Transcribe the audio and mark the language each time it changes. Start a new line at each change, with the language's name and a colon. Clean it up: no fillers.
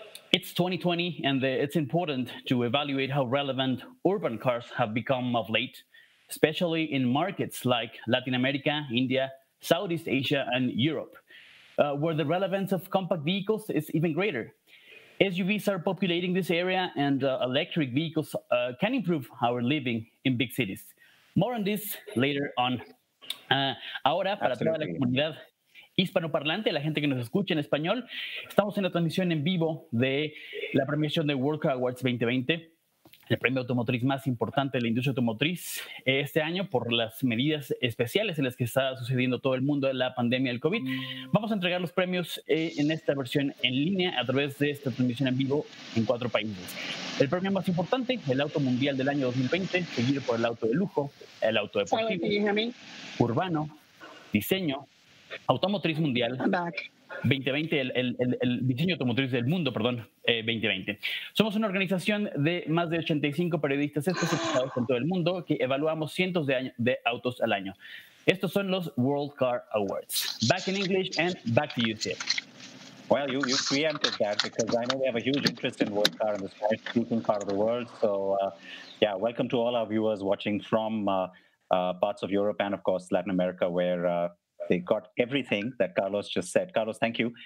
English: It's 2020, and it's important to evaluate how relevant urban cars have become of late, especially in markets like Latin America, India, Southeast Asia, and Europe, where the relevance of compact vehicles is even greater. SUVs are populating this area, and electric vehicles can improve our living in big cities. More on this later on.
Spanish: Ahora, para toda la comunidad hispanoparlante, la gente que nos escucha en español, estamos en la transmisión en vivo de la premiación de World Car Awards 2020, el premio automotriz más importante de la industria automotriz este año por las medidas especiales en las que está sucediendo todo el mundo de la pandemia del COVID. Vamos a entregar los premios en esta versión en línea a través de esta transmisión en vivo en cuatro países. El premio más importante, el auto mundial del año 2020, seguido por el auto de lujo, el auto deportivo, urbano, diseño, automotriz mundial, 2020, el diseño automotriz del mundo, perdón, 2020. Somos una organización de más de 85 periodistas especializados en todo el mundo que evaluamos cientos de autos al año. Estos son los World Car Awards.
English: Back in English and back to you, Sid. Well, you preempted that because I know we have a huge interest in World Car and the smartest speaking car of the world. So, yeah, welcome to all our viewers watching from parts of Europe and, of course, Latin America, where they got everything that Carlos just said. Carlos, thank you.